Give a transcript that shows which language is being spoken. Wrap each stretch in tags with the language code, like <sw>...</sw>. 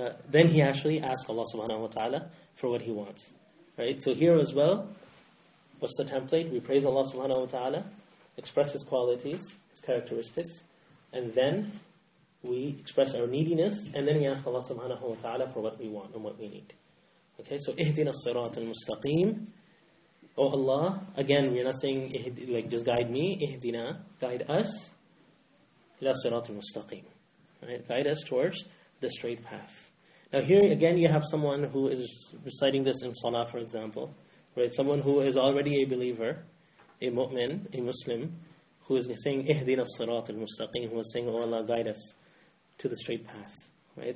<en>Then he actually asks Allah subhanahu wa ta'ala for what he wants. Right. So here as well, what's the template? We praise Allah subhanahu wa ta'ala, express His qualities, His characteristics, and then we express our neediness, and then we ask Allah subhanahu wa ta'ala for what we want and what we need. Okay, so</en> <ar>اِهْدِنَا الصِّرَاطَ الْمُسْتَقِيمِ.</ar> <en>Oh Allah, again, we're not saying, like, just guide me.</en> <ar>اِهْدِنَا,</ar> <en>guide us.</en> <ar>إِلَى الصِّرَاطِ الْمُسْتَقِيمِ.</ar> <en>Right, guide us towards the straight path. Now here, again, you have someone who is reciting this in salah, for example. Right, someone who is already a believer, a mu'min, a Muslim, who is saying,</en> <ar>اِهْدِنَا الصِّرَاطِ الْمُسْتَقِيمِ,</ar> <en>who is saying, oh Allah, guide us to the straight path. Right?</en>